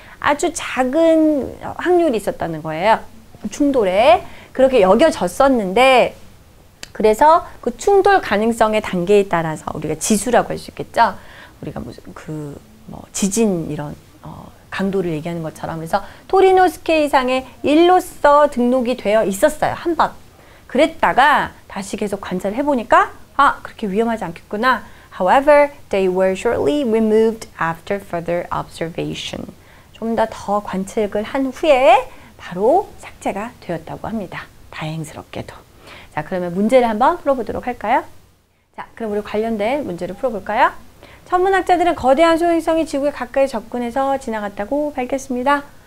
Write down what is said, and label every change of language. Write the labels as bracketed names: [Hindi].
[Korean] 아주 작은 확률이 있었다는 거예요. 충돌에 그렇게 여겨졌었는데, 그래서 그 충돌 가능성의 단계에 따라서 우리가 지수라고 할 수 있겠죠. 우리가 무슨 그 뭐 지진 이런 강도를 얘기하는 것처럼. 그래서 토리노스케 이상의 일로서 등록이 되어 있었어요. 한번 그랬다가 다시 계속 관찰해 보니까 아 그렇게 위험하지 않겠구나. [English] However, they were shortly removed after further observation. [Korean] 좀 더 관측을 한 후에 바로 삭제가 되었다고 합니다. 다행스럽게도. 자, 그러면 문제를 한번 풀어보도록 할까요? 자, 그럼 우리 관련된 문제를 풀어볼까요? 천문학자들은 거대한 소행성이 지구에 가까이 접근해서 지나갔다고 밝혔습니다.